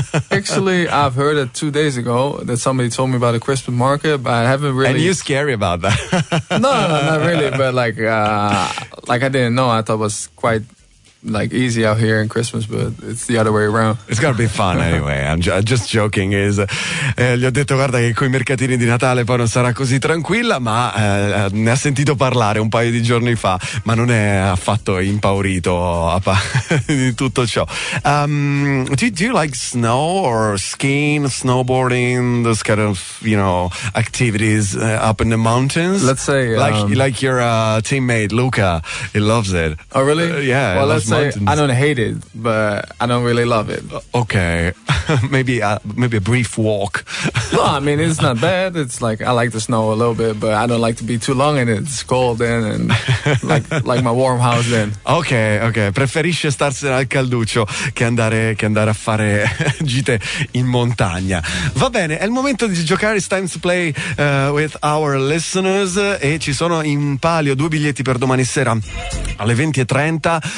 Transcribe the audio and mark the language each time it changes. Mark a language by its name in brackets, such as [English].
[English] Actually, I've heard it 2 days ago that somebody told me about a Christmas market, but I haven't really. And you're scary about that? No, not really. But like I didn't know. I thought it was quite. Like easy out here in Christmas, but it's the other way around. It's gonna be fun anyway. I'm just joking. [Italian] Gli ho detto, guarda, che coi mercatini di Natale poi non sarà così tranquilla, ma ne ha sentito parlare un paio di giorni fa, ma non è affatto impaurito di tutto ciò. [English] Do you like snow or skiing, snowboarding, those kind of, you know, activities up in the mountains? Let's say like your teammate Luca, he loves it. Oh really? Yeah. Well, so I don't hate it, but I don't really love it. Okay, maybe a brief walk. No, I mean, it's not bad. It's like, I like the snow a little bit, but I don't like to be too long in it. It's cold then, and like my warm house then. Okay. [Italian] Preferisce starsene al calduccio che andare a fare gite in montagna. Va bene, è il momento di giocare. [English] It's time to play with our listeners. [Italian] E ci sono in palio due biglietti per domani sera alle 20:30.